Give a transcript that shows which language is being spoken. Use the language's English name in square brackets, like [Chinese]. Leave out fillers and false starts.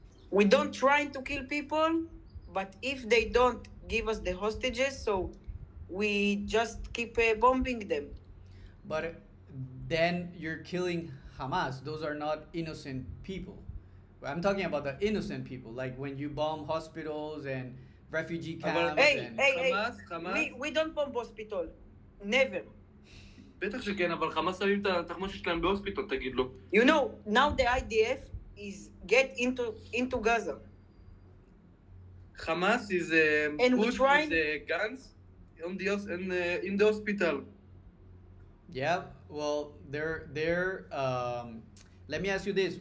[English] We don't try to kill people, but if they don't give us the hostages, so we just keep bombing them. But then you're killing Hamas. Those are not innocent people. I'm talking about the innocent people, like when you bomb hospitals and refugee camps. Hey, and hey, Hamas, we don't bomb hospital. Never. [Hebrew] בטח שכן, אבל חמאס שמים את התחמושת שלהם בהוספיטל, תגיד לו. [English] You know, now the IDF is get into Gaza. חמאס is pushed with guns in the hospital. Yeah, well, they're let me ask you this.